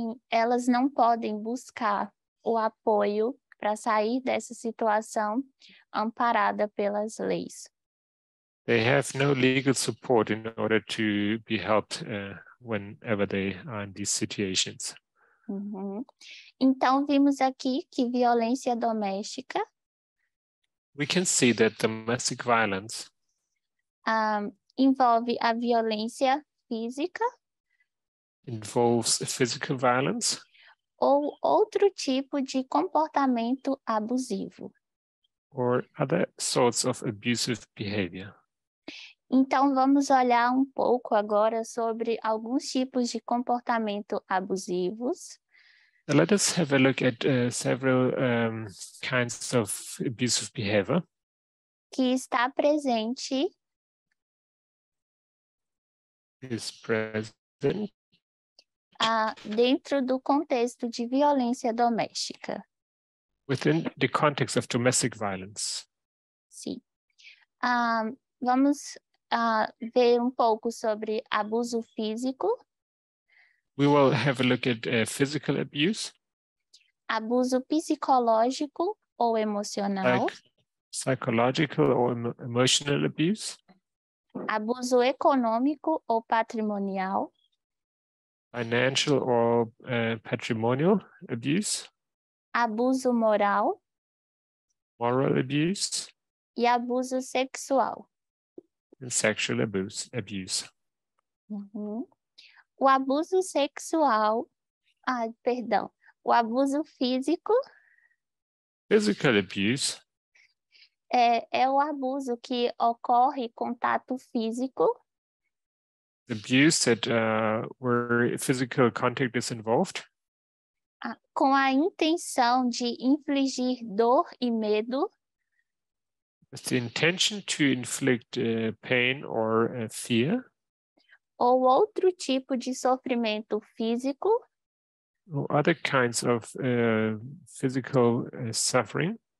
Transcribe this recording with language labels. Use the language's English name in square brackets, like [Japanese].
[Portuguese] Elas não podem buscar o apoio para sair dessa situação amparada pelas leis. [English] They have no legal support in order to be helped whenever they are in these situations. Uhum. [Portuguese] Então, vimos aqui que violência doméstica. [English] We can see that domestic violence [Portuguese] envolve a violência física. [English] Involves physical violence. [Portuguese] Ou outro tipo de comportamento abusivo. [English] Or other sorts of abusive behavior. [Portuguese] Então, vamos olhar pouco agora sobre alguns tipos de comportamento abusivos. [English] Let us have a look at several kinds of abusive behavior. [Portuguese] Que está presente. [English] Is present. [Portuguese] Dentro do contexto de violência doméstica. [English] Within the context of domestic violence. [Portuguese] Sim. Vamos ver pouco sobre abuso físico. [English] We will have a look at physical abuse. [Portuguese] Abuso psicológico ou emocional. [English] Like psychological or emotional abuse. [Portuguese] Abuso econômico ou patrimonial. [English] Financial or patrimonial abuse. [Portuguese] Abuso moral. [English] Moral abuse. [Portuguese] E abuso sexual. [English] And sexual abuse. [Portuguese] Uhum. O abuso sexual. Perdão. O abuso físico. [English] Physical abuse. [Portuguese] É o abuso que ocorre contato físico. [English] Abuse that where physical contact is involved. [Portuguese] Com a intenção de infligir dor e medo. [English] With the intention to inflict pain or fear. [Portuguese] Ou outro tipo de sofrimento físico. [English] Or other kinds of physical suffering.